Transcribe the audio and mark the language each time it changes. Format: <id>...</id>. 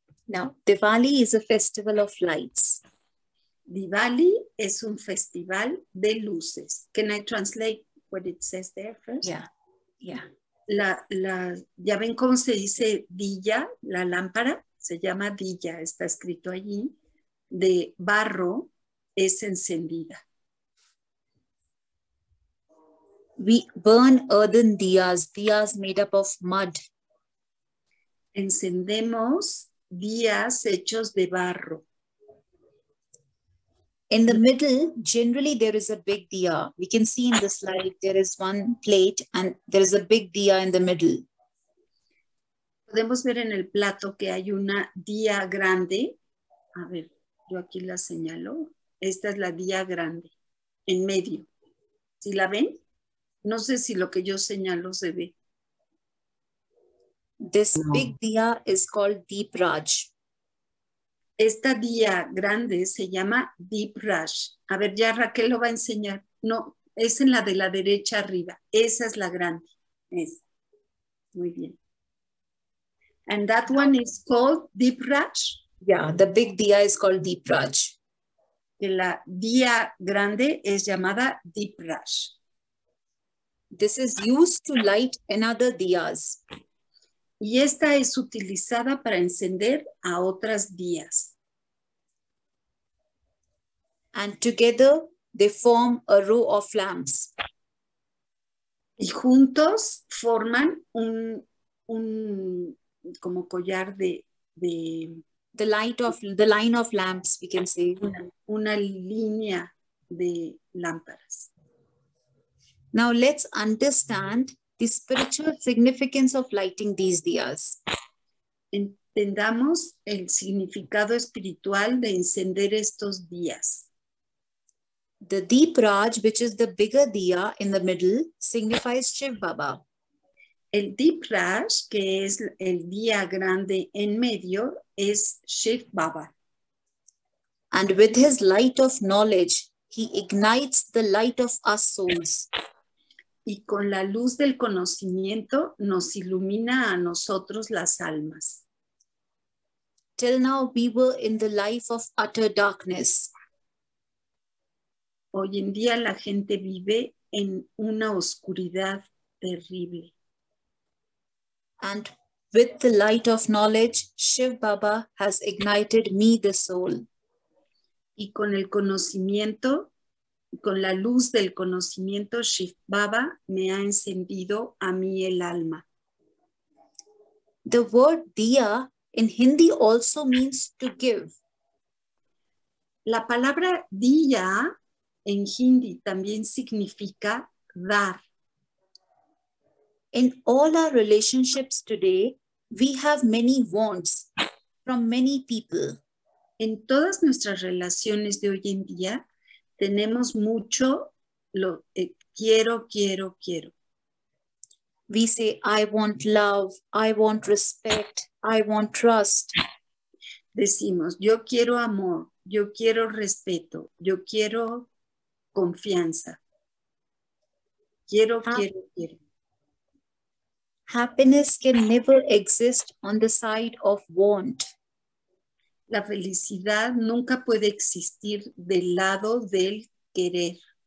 <en>Now, Diwali is a festival of lights.</en> <es>Diwali es un festival de luces.</es> <en>Can I translate what it says there first? Yeah, yeah.</en> <es>¿Ya ven cómo se dice Diya, la lámpara? Se llama Diya, está escrito allí. De barro es encendida. We burn earthen diyas, diyas made up of mud. Encendemos diyas hechos de barro. In the middle, generally there is a big diya. We can see in the slide, there is one plate and there is a big diya in the middle. Podemos ver en el plato que hay una diya grande. A ver, yo aquí la señalo. Esta es la diya grande, en medio. ¿Sí la ven? No sé si lo que yo señalo se ve.</es> <en>This no. Big diya is called Deep Raj.</en> <es>Esta diya grande se llama Deep Raj. A ver, ya Raquel lo va a enseñar. No, es en la de la derecha arriba. Esa es la grande. Esa. Muy bien.</es> <en>And that one is called Deep Raj? Yeah, the big diya is called Deep Raj.</en> <es>que la día grande es llamada Dipras.</es> <en>This is used to light another diyas.</en> <es>Y esta es utilizada para encender a otras diyas.</es> <en>And together they form a row of lamps.</en> <es>Y juntos forman un como collar de</es> <en>the line of lamps, we can say.</en> <es>Una línea de lámparas.</es> <en>Now let's understand the spiritual significance of lighting these diyas.</en> <es>Entendamos el significado espiritual de encender estos diyas.</es> <en>The deep raj, which is the bigger diya in the middle, signifies Shiv Baba.</en> <es>El deep raj, que es el diya grande en medio, es Shiv Baba.</es> <en>And with his light of knowledge, he ignites the light of us souls.</en> <es>Y con la luz del conocimiento nos ilumina a nosotros las almas.</es> <en>Till now we were in the life of utter darkness.</en> <es>Hoy en día la gente vive en una oscuridad terrible.</es> <en>And with the light of knowledge, Shiv Baba has ignited me the soul.</en> <es>Y con el conocimiento, con la luz del conocimiento, Shiv Baba me ha encendido a mí el alma.</es> <en>The word diya in Hindi also means to give.</en> <es>La palabra diya en Hindi también significa dar.</es> <en>In all our relationships today, we have many wants from many people.</en> <es>En todas nuestras relaciones de hoy en día, tenemos mucho lo quiero, quiero, quiero.</es> <en>We say, I want love, I want respect, I want trust.</en> <es>Decimos, yo quiero amor, yo quiero respeto, yo quiero confianza. Quiero, quiero, quiero.</es> <en>Happiness can never exist on the side of want.</en> <es>La felicidad nunca puede existir del lado del querer.</es>